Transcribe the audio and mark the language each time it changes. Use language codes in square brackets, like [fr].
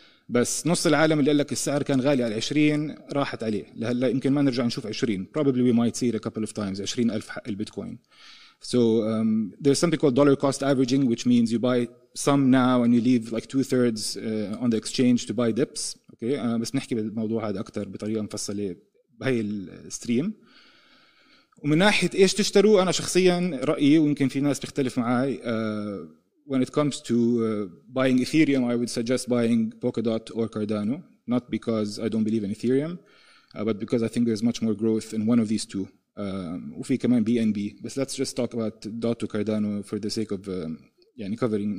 [ar] بس نص العالم اللي قال لك السعر كان غالي على 20 راحت عليه. لهلا يمكن ما نرجع نشوف [en] 20. Probably we might see it a couple of times. [ar] 20,000 حق البيتكوين. [en] So there's something called dollar cost averaging, which means you buy some now and you leave like 2/3 on the exchange to buy dips. Okay. [ar] بس نحكي بالموضوع هذا أكتر بطريقة مفصلة بهاي الستريم. ومن ناحية إيش تشتروا، أنا شخصياً رأيي ويمكن في ناس تختلف معاي. [en] When it comes to buying Ethereum, I would suggest buying Polkadot or Cardano. Not because I don't believe in Ethereum, but because I think there's much more growth in one of these two. [ar] وفي كمان BNB. [en] But let's just talk about Dot to Cardano for the sake of [ar] يعني [en] covering.